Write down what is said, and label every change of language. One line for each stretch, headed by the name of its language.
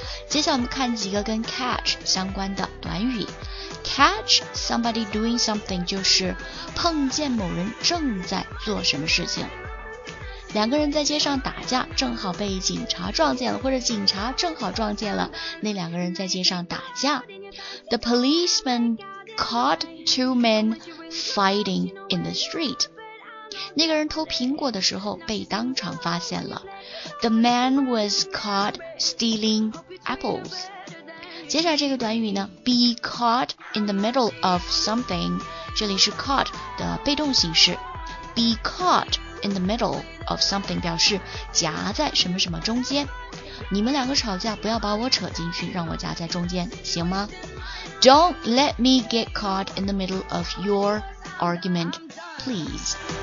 Chinese: 接下来我们看几个跟 catch 相关的短语。
English: Catch somebody doing something
Chinese: 就是碰见某人正在做什么事情。两个人在街上打架，正好被警察撞见了，或者警察正好撞见了那两个人在街上打架。
English: The policeman caught two men fighting in the street.
Chinese: 那个人偷苹果的时候被当场发现了。
English: The man was caught stealing apples.
Chinese: 接下来这个短语呢 ,
English: be caught in the middle of something,
Chinese: 这里是 caught 的被动形式。
English: Be caught in the middle of something
Chinese: 表示夹在什么什么中间。你们两个吵架，不要把我扯进去，让我夹在中间，行吗？
English: Don't let me get caught in the middle of your argument, please.